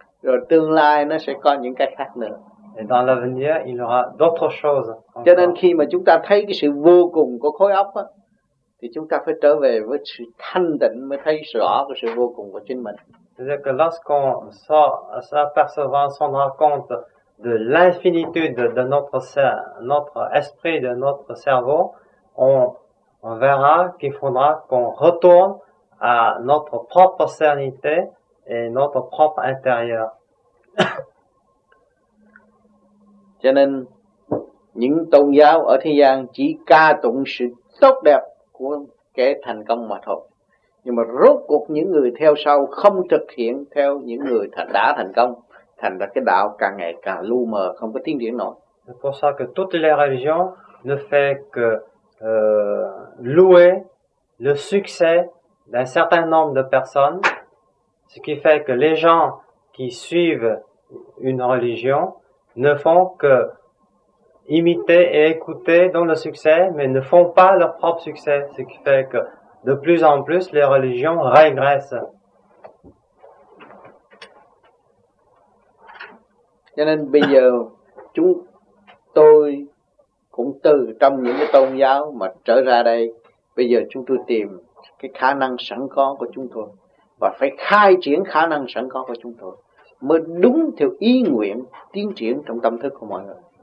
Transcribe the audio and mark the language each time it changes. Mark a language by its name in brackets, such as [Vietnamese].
[Vietnamese] rồi tương lai nó sẽ có những cái khác nữa. [French] Et dans l'avenir, il y aura d'autres choses. [Vietnamese] Cho nên khi mà chúng ta thấy cái sự vô cùng của khối óc á, thì chúng ta phải trở về với sự thanh tịnh mới thấy rõ cái sự vô cùng của chính mình. [French] C'est-à-dire que lorsqu'on s'apercevant, s'en rend compte de l'infinitude de notre notre esprit, de notre cerveau, on verra qu'il faudra qu'on retourne à notre propre sérénité et notre propre intérieur. [Vietnamese] Cho nên những tôn giáo ở thế gian chỉ ca tụng sự tốt đẹp của kẻ thành công mà thôi. Nhưng mà rốt cuộc những người theo sau không thực hiện theo những người đã thành công, thành ra cái đạo càng ngày càng lu mờ, không có tiến triển nổi. [French] C'est pour ça que toutes les religions ne fait que louer le succès d'un certain nombre de personnes, ce qui fait que les gens qui suivent une religion ne font que imiter et écouter dans le succès, mais ne font pas leur propre succès, ce qui fait que de plus en plus les religions régressent. [Vietnamese] Cho nên bây giờ chúng tôi cũng từ trong những cái tôn giáo mà trở ra đây, bây giờ chúng tôi tìm cái khả năng sẵn có của chúng tôi và phải khai triển khả năng sẵn có của chúng tôi mới đúng theo ý nguyện tiến triển trong tâm thức của mọi người.